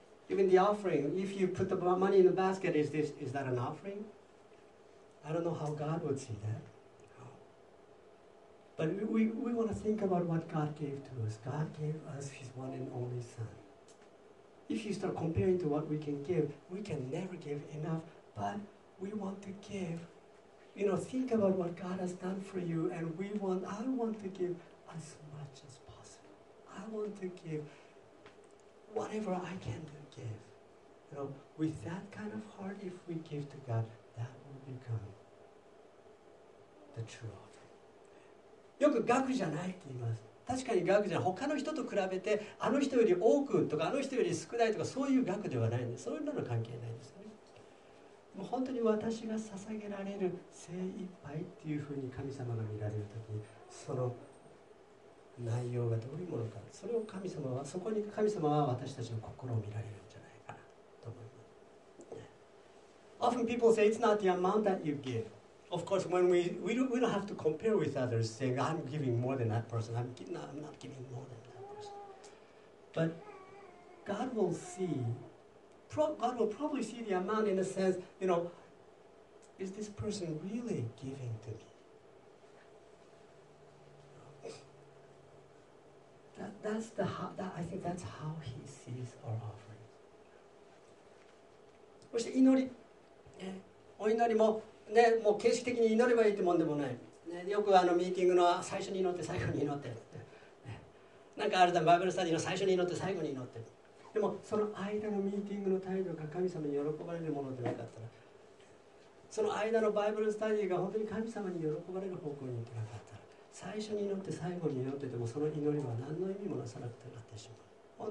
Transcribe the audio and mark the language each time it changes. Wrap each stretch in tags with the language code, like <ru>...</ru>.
<en>Even the offering, if you put the money in the basket, is that an offering? I don't know how God would see that. But we want to think about what God gave to us. God gave us His one and only Son. If you start comparing to what we can give, we can never give enough, but we want to give. You know, think about what God has done for you, and I want to give as much as possible. I want to give whatever I can do. You know, with that kind of heart, if we give to God, that will become the true offering.</en> <ja>よく額じゃないって言います。確かに額じゃない。他の人と比べて、あの人より多くとか、あの人より少ないとか、そういう額ではないんです。そんなの関係ないですね。もう本当に私が捧げられる精一杯っていうふうに神様が見られるときに、その内容がどういうものか、それを神様は、そこに神様は私たちの心を見られるんじゃないかなと思います。</ja> <en>Often people say it's not the amount that you give. Of course, when we don't have to compare with others, saying I'm giving more than that person, I'm not giving more than that person. But God will see, God will probably see the amount in a sense, you know, is this person really giving to me? I think that's how he sees our offerings.</en> <ja>そして祈り、ね、お祈りも、ね、もう形式的に祈ればいいってもんでもない、ね、よくあのミーティングの最初に祈って最後に祈って、ね、なんかあるだバイブルスタディの最初に祈って最後に祈って、でもその間のミーティングの態度が神様に喜ばれるものでなかったら、その間のバイブルスタディが本当に神様に喜ばれる方向に行ってなかったら、最初に祈って最後に祈っててもその祈りは何の意味もなさなくてなってしまう。</ja>